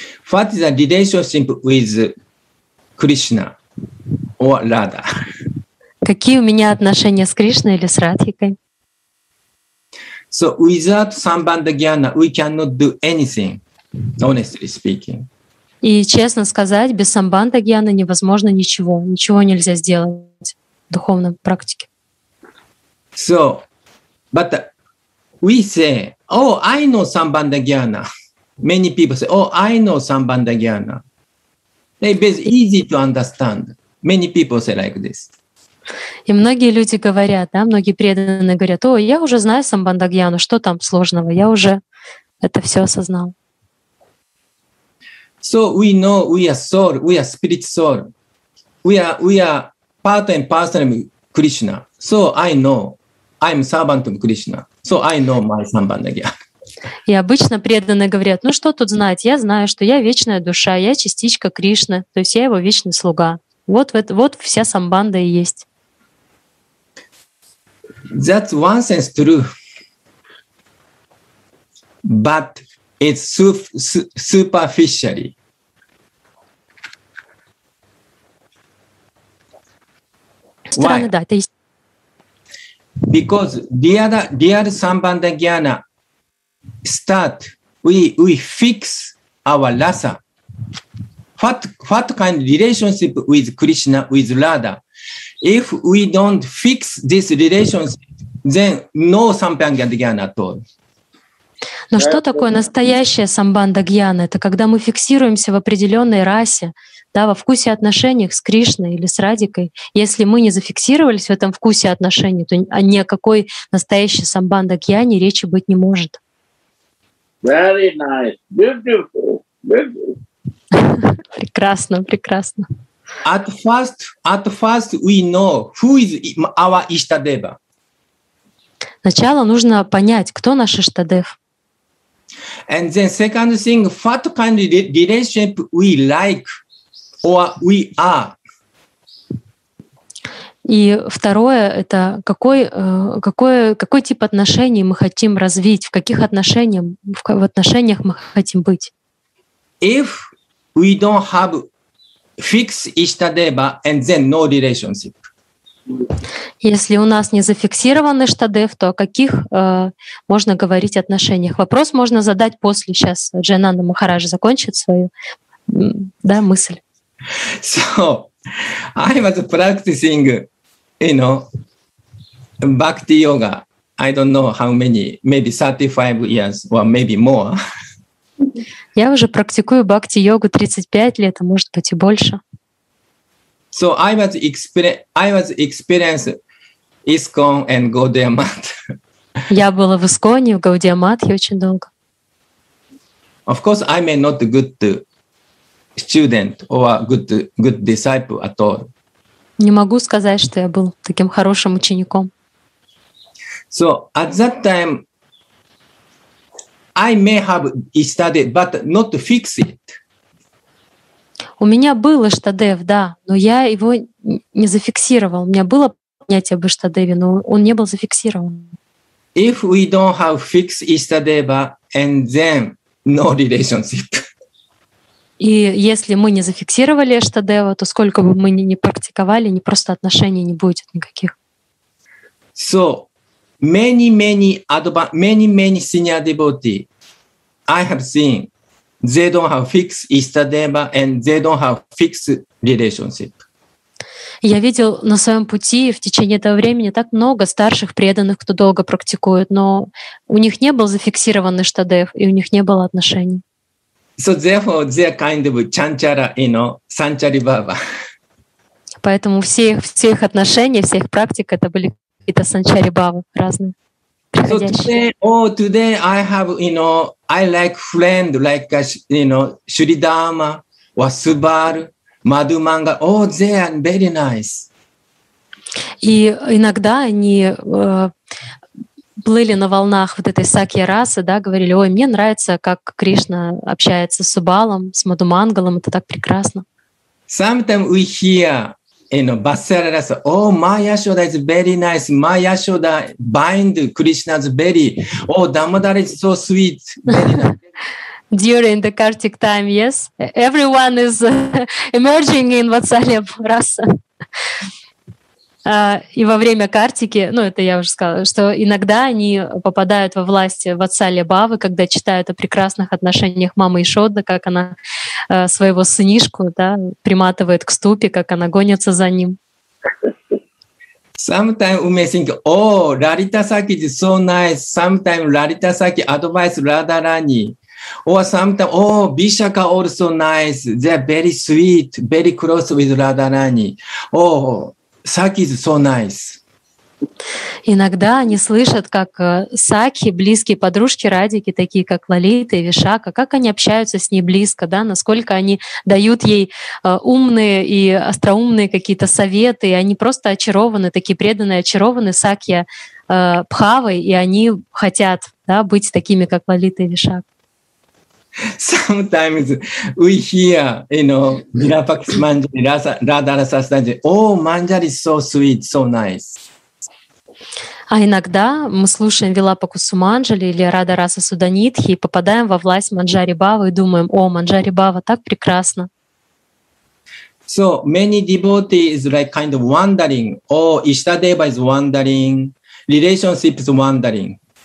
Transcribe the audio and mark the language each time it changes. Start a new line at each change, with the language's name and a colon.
English: What is the relationship with Krishna or Radha?
Russian: Какие у меня отношения с Кришной или с Радхикой?
English: So without Sambandha Gyana we cannot do anything, honestly speaking.
Russian: И честно сказать, без Sambandha Gyana невозможно ничего. Ничего нельзя сделать в духовной практике.
English: So, but we say, oh, I know Sambandha Gyana. Many people say, oh, I know Sambandha Gyana. It's easy to understand. Many people say like this.
Russian: И многие люди говорят, да, многие преданные говорят, о, я уже знаю Sambandha Gyana, что там сложного, я уже это все осознал.
English: So we know we are soul, we are spirit soul. We are part and parcel of Krishna. So I know I'm servant of Krishna. So I know my Sambandha Gyana.
Russian: И обычно преданные говорят, ну что тут знать? Я знаю, что я вечная душа, я частичка Кришны, то есть я его вечный слуга. Вот вся Sambandha и есть.
English: That's one sense true. But it's superficially.
Russian: Странно, да, это есть.
English: Because the other Sambandha Gyana start, we fix our rasa. What kind of relationship with Krishna, with Radha? If we don't fix this relationship, then no Sambandha Gyana at all.
Russian: Но что такое настоящая Sambandha Gyana? Это когда мы фиксируемся в определенной расе, да, во вкусе отношениях с Кришной или с Радикой. Если мы не зафиксировались в этом вкусе отношений, то ни о какой настоящей Sambandha Gyana речи быть не может.
English: Very nice. Beautiful.
Russian: Прекрасно, прекрасно.
English: At first we know who is our Ishtadeva.
Russian: Сначала нужно понять, кто наш Иштадев.
English: And then second thing, what kind of relationship we like or we are.
Russian: И второе, это какой тип отношений мы хотим развить, в каких отношениях, в отношениях мы хотим быть.
English: If we don't have fixed Ishtadeva and then no relationship.
Russian: Если у нас не зафиксирован Иштадев, то о каких можно говорить отношениях? Вопрос можно задать после, сейчас Джайананда Махарадж закончит свою мысль.
English: So, I was practicing, you know, bhakti yoga. I don't know how many, maybe 35 years or maybe more.
Russian: Я уже практикую бхакти йогу 35 лет, а может быть и больше.
English: So I was experienced ISKCON and Gaudiya Math.
Russian: Я была в ИСКОНе, в Gaudiya Math очень долго.
English: Of course, I may not a good student or good disciple at all.
Russian: Не могу сказать, что я был таким хорошим учеником.
English: So at that time I may have studied, but not to fix it.
Russian: У меня был Иштадев, да, но я его не зафиксировал. У меня было понятие об Иштадеве, но он не был зафиксирован.
English: If we don't have fixed Ishtadeva, and then no relationship.
Russian: И если мы не зафиксировали эштадева, то сколько бы мы ни практиковали, не просто отношений не будет никаких.
English: So many, many, many, many senior devotees I have seen, they don't have fixed eshtadeva and they don't have fixed relationship.
Russian: Я видел на своем пути в течение этого времени так много старших преданных, кто долго практикует, но у них не был зафиксирован эштадев, и у них не было отношений.
English: So therefore, they are kind of chanchara, you know, sanchari bhava.
Russian: Поэтому все их отношения, все их практики, это были какие-то санчари бхавы разные, приходящие.
English: So today, oh, today I have, you know, I like friend, like, you know, Shridama, Wasubaru, Madhumanga. Oh, they are very nice.
Russian: И иногда они плыли на волнах вот этой сакья-расы, да, говорили, ой, мне нравится, как Кришна общается с Субалом, с Мадумангалом, это так прекрасно.
English: Sometimes we hear, you know, Vatsararasa, oh, Mayashoda is very nice, Mayashoda bind Krishna's belly, oh, Damodara is so sweet, very nice. During the Kartik time, yes, everyone is emerging in Vatsararasa.
Russian: И во время картики, ну, это я уже сказала, что иногда они попадают во власть Ватсалья Бхавы, когда читают о прекрасных отношениях мамы Ишоды, как она своего сынишку, да, приматывает к ступе, как она гонится за ним.
English: Sometimes we may think, oh, Ларита Саки is so nice. Sometimes Ларита Саки advise Радарани. Or sometimes, oh, Бишака also nice. They are very sweet, very close with Радарани. Oh, Саки is so nice.
Russian: Иногда они слышат, как Саки, близкие подружки Радики, такие как Лолита и Вишака, как они общаются с ней близко, да, насколько они дают ей умные и остроумные какие-то советы, и они просто очарованы, такие преданные, очарованы Сакья Бхавой, и они хотят, да, быть такими, как Лолита и Вишака.
English: Sometimes we hear, you know, Virapaksha Manjari, Radhara Sastanji, oh, Manjari is so sweet, so nice.
Russian: А иногда мы слушаем Вилапакусу Манджали или Радараса Суданитхи и попадаем во власть Манджари Бхавы и думаем, о, Манджари Бхава, так прекрасно.
English: So many devotees are like kind of wondering, oh, Ishtadeva is wondering, relationship is wondering.